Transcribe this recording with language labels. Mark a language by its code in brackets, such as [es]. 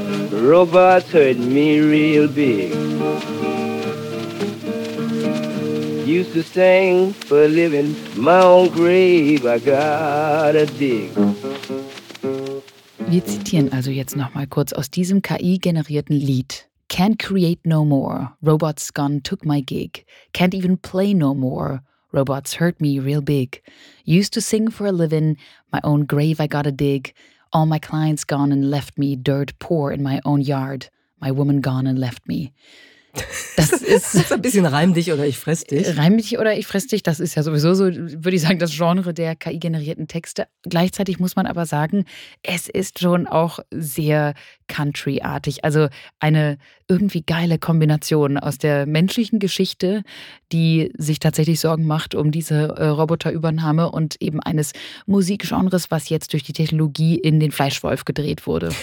[en] Robots hurt me real big. Used to sing for a living, my own grave I gotta dig. [de] Wir zitieren also jetzt nochmal kurz aus diesem KI-generierten Lied. [en] Can't create no more, robots gone took my gig. Can't even play no more, robots hurt me real big. Used to sing for a living, my own grave I gotta dig. All my clients gone and left me dirt poor in my own yard. My woman gone and left me. [de] Das ist, das ist ein bisschen reim dich oder ich fress dich. Reim dich oder ich fress dich, das ist ja sowieso so, würde ich sagen, das Genre der KI-generierten Texte. Gleichzeitig muss man aber sagen, es ist schon auch sehr Country-artig. Also eine irgendwie geile Kombination aus der menschlichen Geschichte, die sich tatsächlich Sorgen macht um diese Roboterübernahme und eben eines Musikgenres, was jetzt durch die Technologie in den Fleischwolf gedreht wurde.